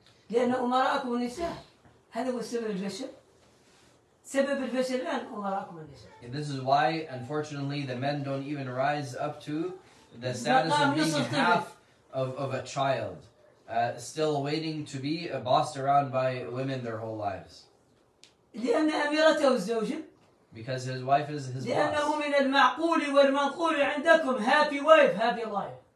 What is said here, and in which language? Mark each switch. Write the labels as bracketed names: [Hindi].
[Arabic] لأن أمراءكم النساء هذا هو سبب الفشل سبب الفشل الآن أمراءكم النساء. [English] This is why, unfortunately, the men don't even rise up to the status of being half of a child, still waiting to be bossed around by women their whole lives. [Arabic] لأن أميرته الزوجة. [English] Because his wife is his [Arabic] لأنه [English] boss. [Arabic] لأنه من المعقول والمنقول عندكم [English] happy wife happy life.